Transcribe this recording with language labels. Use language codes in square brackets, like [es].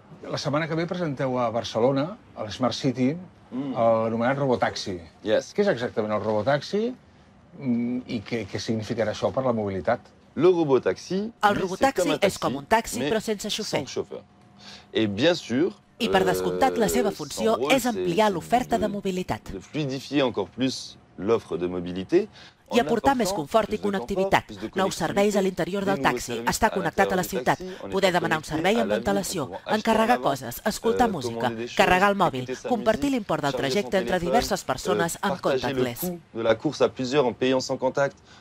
[ca] La setmana que ve presenteu a Barcelona, a l'Smart City, l'anomenat robotaxi. [en] Yes. [ca] Què és exactament el robotaxi i què significarà això per la mobilitat? El robotaxi és com un taxi, però sense xofer. [fr] Et bien sûr, [ca] i per descomptat, la seva funció és ampliar l'oferta de mobilitat. [fr] De fluidifier encore plus l'offre de mobilité. [ca] I aportar més confort i connectivitat. Nous serveis a l'interior del taxi, estar connectat a la ciutat, poder demanar un servei amb antelació, encarregar coses, escoltar música, carregar el mòbil, compartir l'import del trajecte entre diverses persones amb contactless.